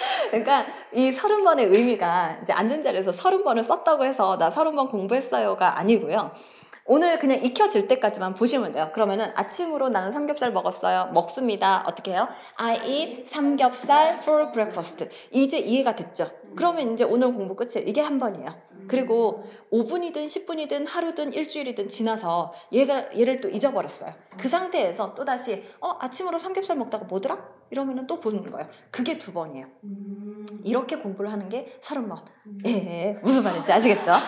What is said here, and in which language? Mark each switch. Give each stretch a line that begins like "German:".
Korean: 그러니까 이 30번의 의미가 이제 앉은 자리에서 30번을 썼다고 해서 나 30번 공부했어요가 아니고요. 오늘 그냥 익혀질 때까지만 보시면 돼요. 그러면은 아침으로 나는 삼겹살 먹었어요. 먹습니다. 어떻게 해요?
English: I eat 삼겹살 for breakfast.
Korean: 이제 이해가 됐죠? 그러면 이제 오늘 공부 끝이에요. 이게 한 번이에요. 그리고 5분이든 10분이든 하루든 일주일이든 지나서 얘를 또 잊어버렸어요. 그 상태에서 또다시 아침으로 삼겹살 먹다가 뭐더라? 이러면 또 보는 거예요. 그게 두 번이에요. 이렇게 공부를 하는 게 30번. 예, 무슨 말인지 아시겠죠?